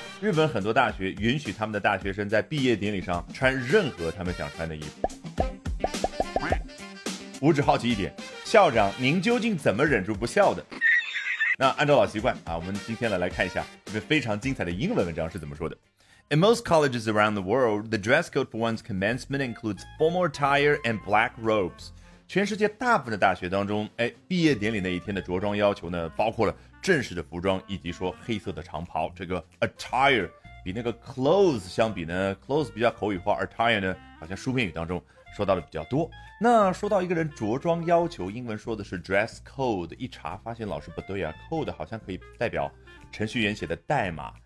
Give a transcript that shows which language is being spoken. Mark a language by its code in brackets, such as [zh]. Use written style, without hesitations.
[zh] 日本很多大学允许他们的大学生在毕业典礼上穿任何他们想穿的衣服。我只好奇一点，校长您究竟怎么忍住不笑的？那按照老习惯啊，我们今天来看一下一篇非常精彩的英文文章是怎么说的。 [en] In most colleges around the world, the dress code for one's commencement includes formal attire and black robes. [zh] 全世界大部分的大学当中，哎，毕业典礼那一天的着装要求呢，包括了正式的服装以及说黑色的长袍。这个 attire 比那个 clothes 相比呢 ，clothes 比较口语化 ，attire 呢好像书面语当中说到的比较多。那说到一个人着装要求，英文说的是 dress code， 一查发现老师不对啊， code 好像可以代表程序员写的代码。